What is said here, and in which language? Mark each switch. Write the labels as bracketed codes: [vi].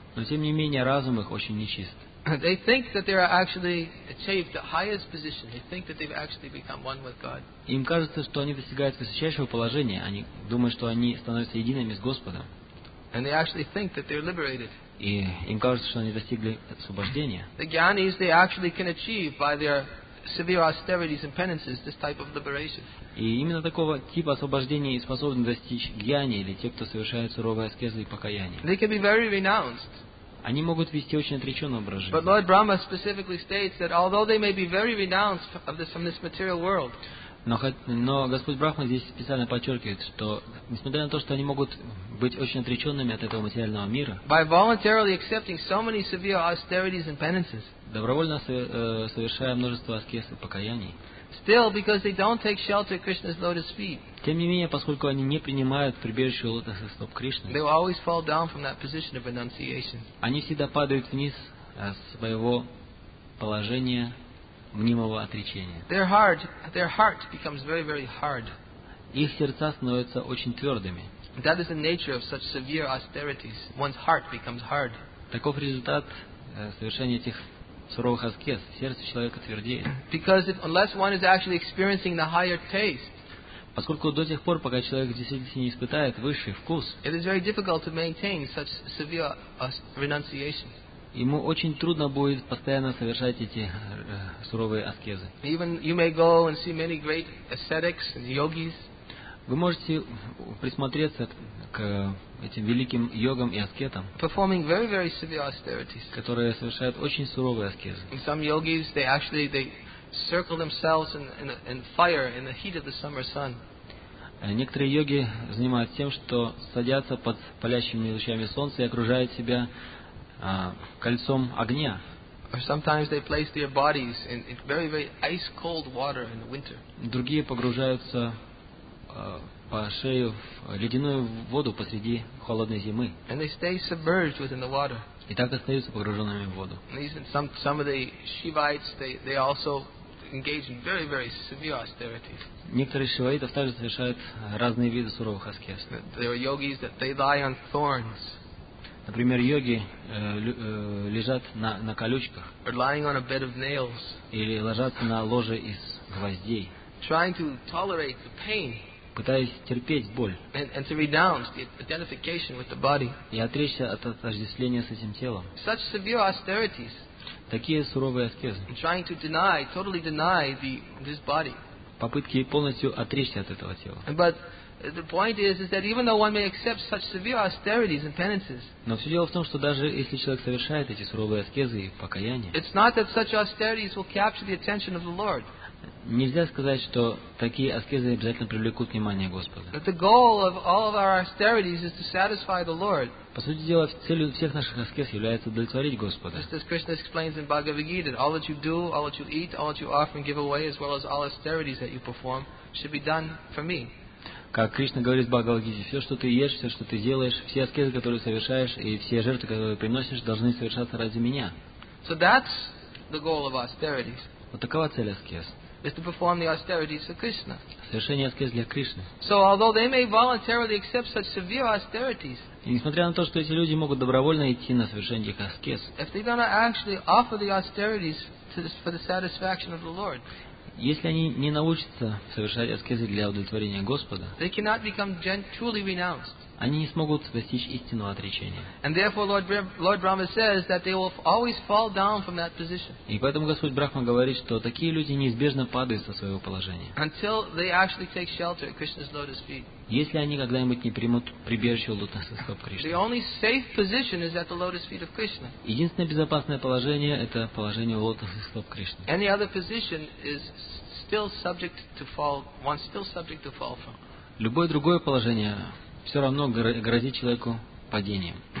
[ru] Но тем не менее разум их очень нечист. [en] They think that they are actually achieved the highest position. They think that they've actually become one with God. [ru] Им кажется, что они достигают высочайшего положения. Они думают, что они становятся едиными с Господом. [en] And they actually think that they're liberated. [ru] И им кажется, что они достигли освобождения. [en] The gyanis they actually can achieve by their severe austerities and penances, this type of liberation. [ru] И именно такого типа освобождения способны достичь гьяни или те, кто совершает суровые аскезы и покаяние. [en] They can be very renounced. [ru] Они могут вести очень отреченный образ жизни. [en] But Lord Brahma specifically states that although they may be very renounced from this material world. [ru] Но Господь Брахма здесь специально подчеркивает, что несмотря на то, что они могут быть очень отреченными от этого материального мира, добровольно совершая множество аскез и покаяний, [en] still, because they don't take shelter at Krishna's lotus feet. [ru] Тем не менее, поскольку они не принимают прибежище у лотоса стоп Кришны, [en] they will always fall down from that position of renunciation. [ru] Они всегда падают вниз своего положения мнимого отречения. [en] Their heart becomes very, very hard. [ru] Их сердца становятся очень твердыми. [en] That is the nature of such severe austerities. One's heart becomes hard. [ru] Таков результат совершения этих суровых аскез, сердце человека твердеет. [en] Because if, unless one is actually experiencing the higher taste, [ru] поскольку до тех пор, пока человек действительно не испытает высший вкус, [en] it is very difficult to maintain such severe renunciation. [ru] Ему очень трудно будет постоянно совершать эти суровые аскезы. [en] Even you may go and see many great ascetics and yogis. [ru] Вы можете присмотреться к этим великим йогам и аскетам, [en] performing very, very severe austerities, [ru] которые совершают очень суровые аскезы. [en] And some yogis, they circle themselves in fire in the heat of the summer sun. [ru] Некоторые йоги занимаются тем, что садятся под палящими лучами солнца и окружают себя кольцом огня. [en] Or sometimes they place their bodies in very, very ice cold water in the winter. [ru] Другие погружаются по шею в ледяную воду посреди холодной зимы. [en] And they stay submerged within the water. [ru] И так остаются погруженными в воду. [en] Some of the Shivites, they also engage in very, very severe austerities. [ru] Некоторые шиваитов также совершают разные виды суровых аскез. [en] There are yogis that they lie on thorns. [ru] Например, йоги лежат на колючках. [en] Or lying on a bed of nails. [ru] Или ложатся на ложе из гвоздей. [en] Trying to tolerate the pain. [ru] Пытаясь терпеть боль. [en] And to renounce the identification with the body. [ru] И отречься от отождествления с этим телом. [en] Such severe austerities. [ru] Такие суровые аскезы. [en] Trying to deny, totally deny this body. [ru] Попытки полностью отречься от этого тела. [en] But the point is that even though one may accept such severe austerities and penances. [ru] Но все дело в том, что даже если человек совершает эти суровые аскезы и покаяние. [en] It's not that such austerities will capture the attention of the Lord. [ru] Нельзя сказать, что такие аскезы обязательно привлекут внимание Господа. [en] The goal of all of our austerities is to satisfy the Lord. [ru] По сути дела, целью всех наших аскез является удовлетворить Господа. [en] Just as Krishna explains in Bhagavad Gita, all that you do, all that you eat, all that you offer and give away, as well as all austerities that you perform, should be done for me. [ru] Как Кришна говорит в Бхагавад-гите, все, что ты ешь, все, что ты делаешь, все аскезы, которые совершаешь, и все жертвы, которые приносишь, должны совершаться ради меня. [en] So that's the goal of austerities. [ru] Вот такова цель аскез. [en] Is to perform the austerities for Krishna. [ru] Совершение аскез для Кришны. [en] So although they may voluntarily accept such severe austerities, [ru] и несмотря на то, что эти люди могут добровольно идти на совершение этих аскез, [en] if they do not actually offer the austerities for the satisfaction of the Lord, [ru] если они не научатся совершать аскезы для удовлетворения Господа, [en] they cannot become truly renounced. [ru] Они не смогут достичь истинного отречения. [en] And therefore, Lord Brahma says that they will always fall down from that position. [ru] И поэтому Господь Брахма говорит, что такие люди неизбежно падают со своего положения. [en] Until they actually take shelter at Krishna's lotus feet. [ru] Если они когда-нибудь не примут прибежище у лотоса стоп Кришны. [en] The only safe position is at the lotus feet of Krishna. [ru] Единственное безопасное положение – это положение у лотоса стоп Кришны. [en] Any other position is still subject to fall. One still subject to fall from. [ru] Любое другое положение все равно грозит человеку падением.